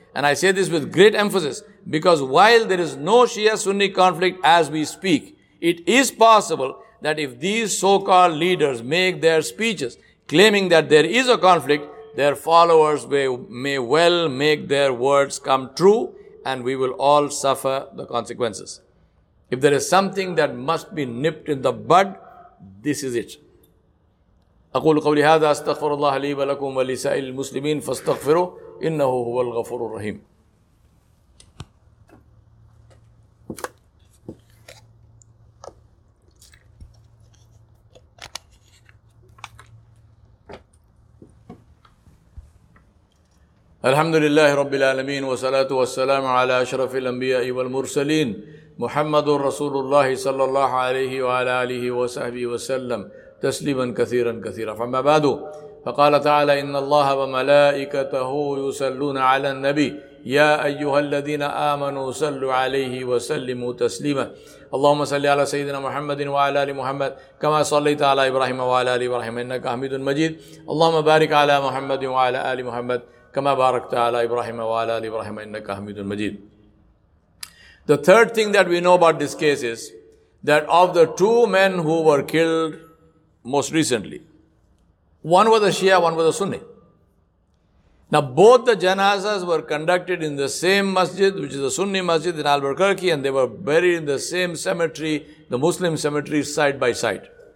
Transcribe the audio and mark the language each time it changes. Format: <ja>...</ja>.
<en>And I say this with great emphasis because while there is no Shia-Sunni conflict as we speak, it is possible that if these so-called leaders make their speeches claiming that there is a conflict, their followers may well make their words come true and we will all suffer the consequences. If there is something that must be nipped in the bud, this is it.</en> <ar>أقول قولي هذا استغفر الله لي ولكم ولسائر المسلمين فاستغفروا إنه هو الغفور الرحيم. الحمد لله رب العالمين والصلاة والسلام على أشرف الأنبياء والمرسلين محمد رسول الله صلى الله عليه وعلى آله وصحبه وسلم تسليما كثيرا كثيرا فما بعد فقال تعالى إن الله وملائكته يصلون على النبي يا أيها الذين آمنوا صلوا عليه وسلموا تسليما اللهم صل على سيدنا محمد وعلى آل محمد كما صليت على إبراهيم وعلى آل إبراهيم إنك حميد مجيد اللهم بارك على محمد وعلى آل محمد كما باركت على إبراهيم وعلى آل إبراهيم إنك حميد مجيد.</ar> <en>The third thing that we know about this case is that of the two men who were killed most recently, one was a Shia, one was a Sunni. Now both the janazas were conducted in the same masjid, which is a Sunni masjid in Albuquerque, and they were buried in the same cemetery, the Muslim cemetery, side by side.</en>